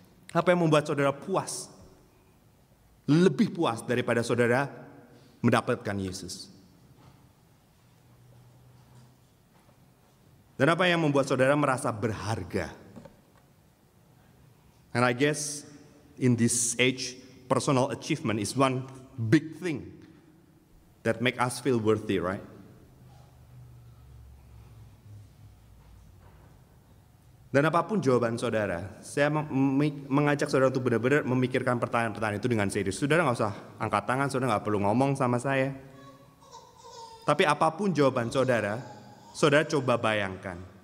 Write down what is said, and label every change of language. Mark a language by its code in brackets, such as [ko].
[id] Apa yang membuat saudara puas? Lebih puas daripada saudara mendapatkan Yesus. Dan apa yang membuat saudara merasa berharga? [en] And I guess in this age, personal achievement is one big thing that make us feel worthy, right? [id] Dan apapun jawaban saudara, saya mengajak saudara untuk benar-benar memikirkan pertanyaan-pertanyaan itu dengan serius. Saudara gak usah angkat tangan, saudara gak perlu ngomong sama saya. Tapi apapun jawaban saudara, saudara coba bayangkan.